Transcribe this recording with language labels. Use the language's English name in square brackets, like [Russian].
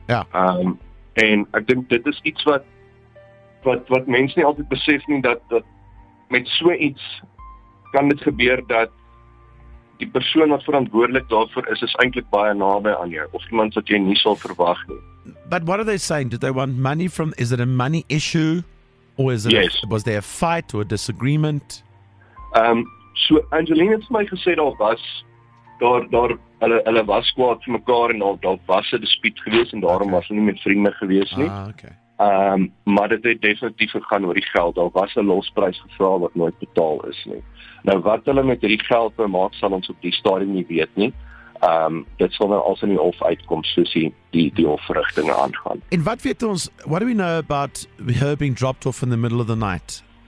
[Afrikaans] Ja. En ek dink dit is iets wat mense nie altyd besef nie, dat met so iets kan dit gebeur dat die persoon wat verantwoordelik daarvoor is eintlik baie naby aan jou, of iemand wat jy nie sal verwag nie. [English] But what are they saying? Do they want money from, is it a money issue? Or is it, yes. Was there a fight or a disagreement? [Afrikaans] So Angeline het vir my gesê daar was hulle was kwaad vir mekaar en daar was 'n dispuut gewees en daarom was hulle nie met vriende gewees nie. [English] Ah, okay. [Afrikaans] Maar dit het definitief gegaan oor die geld. Daar was 'n losprys gevra wat nooit betaal is nie. Nou wat hulle met hierdie geld maak sal ons op die stadium nie weet nie. dit sal nou als in die hof uitkom soos die hofverrigtinge aangaan. En wat weet ons, [English] what do we know about her being dropped off in the middle of the night?